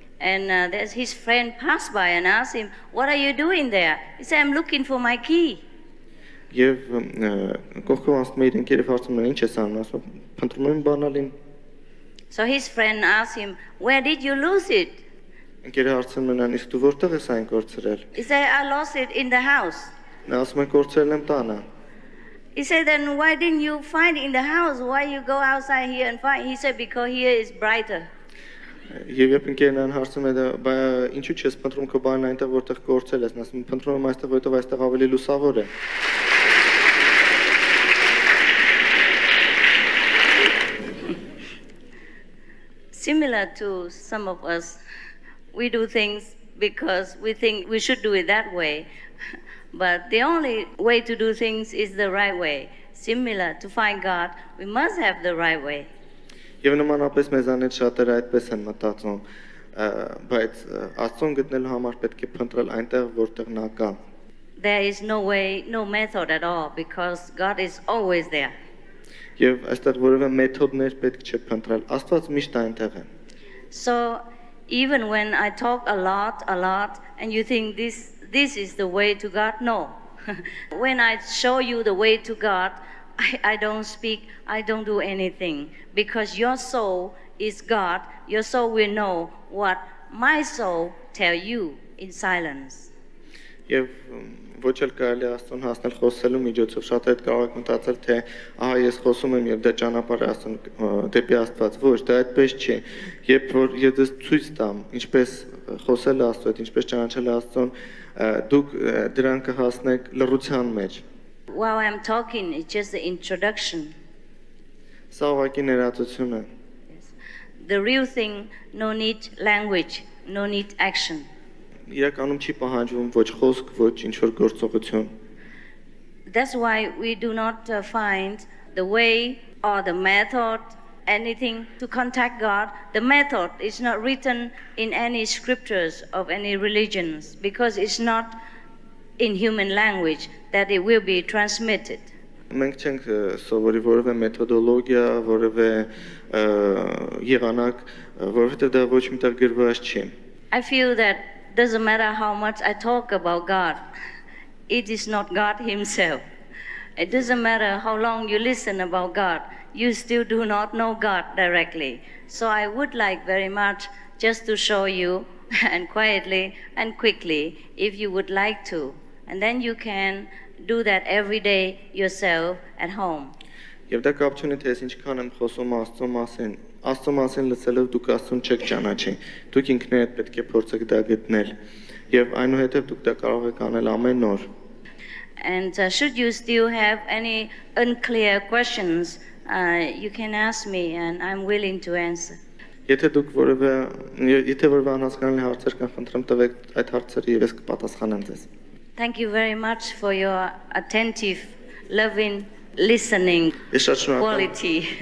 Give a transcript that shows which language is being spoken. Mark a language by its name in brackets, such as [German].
[English] And there's his friend passed by and asked him, "What are you doing there?" He said, "I'm looking for my key." [Armenian] Եվ կողքով անցնում է իր ընկերը, հարցում է, ինչ ես անում, ասում է, փնտրում եմ բանալին։ [English] So his friend asked him, "Where did you lose it?" [Armenian] Ընկերը հարցում է նրան, "Իսկ դու որտեղ ես այն կորցրել?" [English] He said, "I lost it in the house." [Armenian] Նա ասում է, "Կորցրել եմ տանը." [English] He said, "Then why didn't you find it in the house? Why you go outside here and find?" He said, "Because here is brighter." [Armenian] Եվ երբ ինքնան հարցում է, բայց ինչու՞ չես փնտրում քո բանը այնտեղ, որտեղ կորցել ես, ասում փնտրում եմ այստեղ, որտեղ այստեղ ավելի լուսավոր է։ [English] Similar to some of us, we do things because we think we should do it that way, But the only way to do things is the right way. Similar, to find God, we must have the right way. [Armenian] Եվ նմանապես մեզանից շատերը այդպես են մտածում, բայց Աստծուն գտնելու համար պետք է փնտրել այնտեղ, որտեղ նա կա. [English] There is no way, no method at all, because God is always there. [Armenian] Եվ այստեղ որևէ մեթոդներ պետք չէ փնտրել, Աստված միշտ այնտեղ է. [English] So even when I talk a lot, and you think this is the way to God, no. When I show you the way to God, I don't speak, I don't do anything, because your soul is God, your soul will know what my soul tell you in silence. [Armenian] Եվ ոչ էլ կարելի Աստծուն հասնել խոսելու միջոցով, շատերը կարող են մտածել, թե ահա ես խոսում եմ եւ դա ճանապարհ է Աստծուն դեպի Աստված, ոչ, դա այդպես չէ, երբ որ ես ձեզ ցույց տամ, ինչպես խոսել Աստծուն, ինչպես ճանաչել Աստծուն, դուք դրան կհասնեք լրության մեջ. [English] While I'm talking, it's just the introduction. [Armenian] Սա ուղղակի ներածությունն է. [English] The real thing, no need language, no need action. [Armenian] Իրականում չի պահանջվում ոչ խոսք, ոչ ինչ-որ գործողություն. [English] That's why we do not find the way or the method, anything to contact God. The method is not written in any scriptures of any religions, because it's not in human language that it will be transmitted. [Armenian] Մենք չենք սովորի որևէ մեթոդոլոգիա, որևէ եղանակ, որովհետև դա ոչ մի տեղ գրված չի. [English] I feel that doesn't matter how much I talk about God, it is not God himself. It doesn't matter how long you listen about God, you still do not know God directly. So I would like very much just to show you, and quietly and quickly, if you would like to. And then you can do that every day yourself at home. [Armenian] Եվ դա կապչունի, թե ես ինչքան եմ խոսում Աստծո մասին լսելով, դուք Աստծուն չեք ճանաչի, դուք ինքներդ պետք է փորձեք դա գտնել, եւ այնուհետեւ դուք դա կարող եք անել ամեն օր։ [English] And should you still have any unclear questions, you can ask me and I'm willing to answer. [Armenian] Եթե դուք որևէ անհասկանալի հարցեր կան, խնդրեմ տվեք այդ հարցերը եւ ես կպատասխանեմ ձեզ։ [English] Thank you very much for your attentive, loving listening quality.